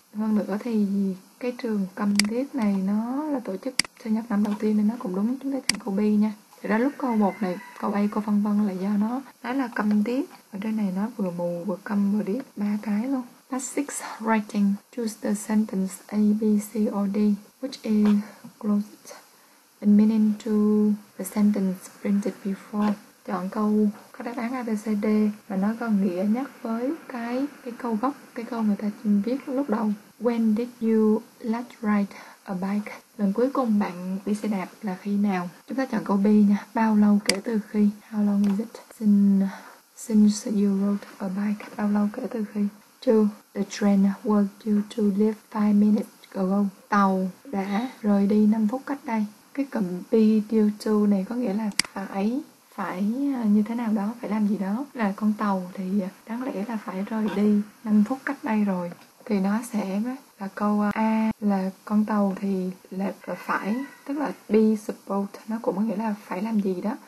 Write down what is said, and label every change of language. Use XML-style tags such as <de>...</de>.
<vi>Hơn nữa thì cái trường câm điếc này nó là tổ chức sinh nhật năm đầu tiên nên nó cũng đúng. Chúng ta chọn câu B nha. Thì ra lúc câu 1 này, câu A, câu vân vân là do nó là câm điếc. Ở trên này nó vừa mù, vừa câm, vừa điếc, ba cái luôn.</vi> <en>Part 6, writing. Choose the sentence A, B, C, or D. Which is closest in meaning to the sentence printed before?</en> <vi>Chọn câu có đáp án A, B, C, D và nó có nghĩa nhất với cái câu gốc, cái câu người ta viết lúc đầu.</vi> <en>When did you last ride a bike?</en> <vi>Lần cuối cùng bạn đi xe đạp là khi nào? Chúng ta chọn câu B nha. Bao lâu kể từ khi?</vi> <en>How long is it since you rode a bike?</en> <vi>Bao lâu kể từ khi?</vi> <en>2. The train was due to leave 5 minutes ago.</en> <vi>Tàu đã rời đi 5 phút cách đây. Cái cụm be due to này có nghĩa là phải như thế nào đó, phải làm gì đó. Là con tàu thì đáng lẽ là phải rời đi 5 phút cách đây rồi. Thì nó sẽ là câu A là con tàu thì là phải, tức là be supposed, nó cũng có nghĩa là phải làm gì đó.</vi>